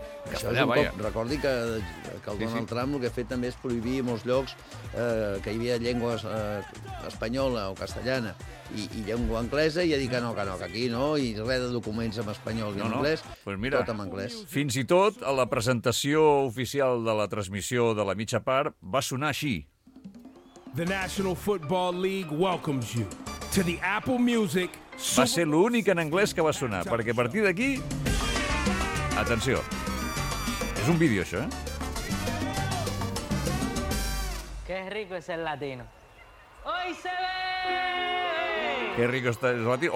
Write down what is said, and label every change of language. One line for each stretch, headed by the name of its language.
Catalan: Això és un cop, recordi que el Donald Trump el que ha fet també és prohibir en molts llocs que hi havia llengua espanyola o castellana i llengua anglesa, i ha dit que no, que aquí no, i res de documents en espanyol i anglès, pues mira, tot en anglès. Fins i tot a la presentació oficial de la transmissió de la mitja part va sonar així.
English: The National Football League welcomes you to the Apple Music.
Catalan: Va ser l'únic en anglès que va sonar, perquè a partir d'aquí... Atenció. És un vídeo, això, eh?
Spanish: Qué rico es el latino. ¡Hoy se bebe! Qué rico está el latino.